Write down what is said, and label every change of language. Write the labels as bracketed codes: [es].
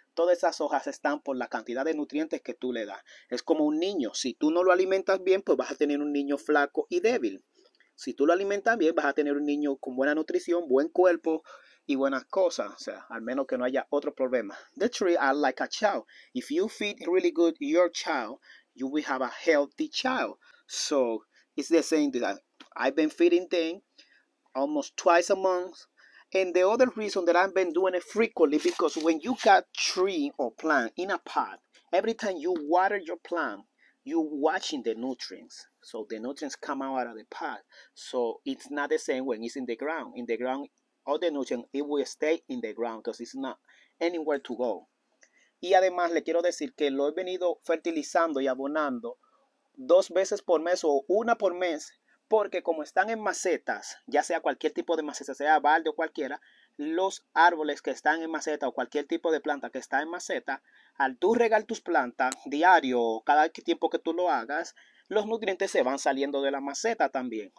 [es] Todas esas hojas están por la cantidad de nutrientes que tú le das. Es como un niño. Si tú no lo alimentas bien, pues vas a tener un niño flaco y débil. Si tú lo alimentas bien, vas a tener un niño con buena nutrición, buen cuerpo y buenas cosas, o sea, al menos que no haya otro problema. [en] The tree are like a child. If you feed really good your child, you will have a healthy child. So, it's the same that I've been feeding them almost twice a month. And the other reason that I've been doing it frequently, because when you got tree or plant in a pot, every time you water your plant, you're watching the nutrients. So, the nutrients come out of the pot. So, it's not the same when it's in the ground. In the ground, all the nutrients, it will stay in the ground because it's not anywhere to go. [es] Y además le quiero decir que lo he venido fertilizando y abonando dos veces por mes o una por mes porque como están en macetas, ya sea cualquier tipo de maceta, sea balde o cualquiera, los árboles que están en maceta o cualquier tipo de planta que está en maceta, al tú regar tus plantas diario o cada tiempo que tú lo hagas, los nutrientes se van saliendo de la maceta también.